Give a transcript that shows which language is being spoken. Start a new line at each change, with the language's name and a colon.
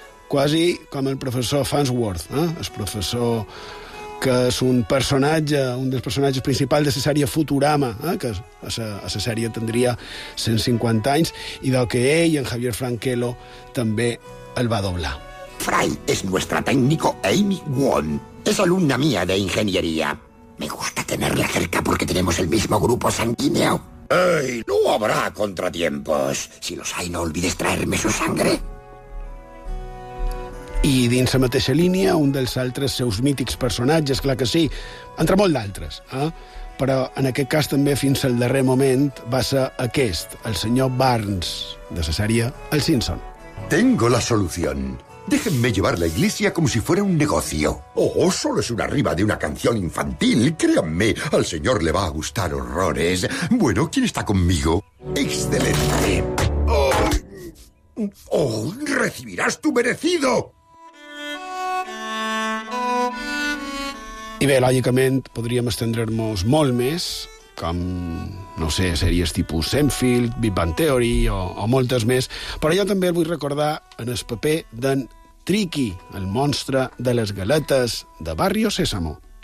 Catalan: Quasi com el professor Farnsworth, el professor, que és un personatge, un dels personatges principals de la sèrie Futurama, que a la sèrie tindria 150 anys, i del que ell, en Javier Franquelo, també el va doblar.
Spanish: Fry es nuestra técnico Amy Wong. Es alumna mía de ingeniería. Me gusta tenerla cerca porque tenemos el mismo grupo sanguíneo. ¡Ey! No habrá contratiempos. Si los hay, no olvides traerme su sangre.
Catalan: I dins la mateixa línia, un dels altres seus mítics personatges, clar que sí, entre molt d'altres, però en aquest cas també fins al darrer moment va ser aquest, el senyor Burns, de la sèrie El Simpson.
Spanish: Tengo la solución. Déjenme llevar la iglesia como si fuera un negocio. Oh, solo es una rima de una canción infantil. Créanme, al señor le va a gustar horrores. Bueno, ¿quién está conmigo? Excelente. ¡Oh, recibirás tu merecido!
Catalan: I bé, lògicament, podríem estendre-nos molt més, com, no sé, sèries tipus Seinfeld, Big Bang Theory o moltes més, però jo també el vull recordar en el paper d'en Tricky, el monstre de les galetes de Barrio Sésamo.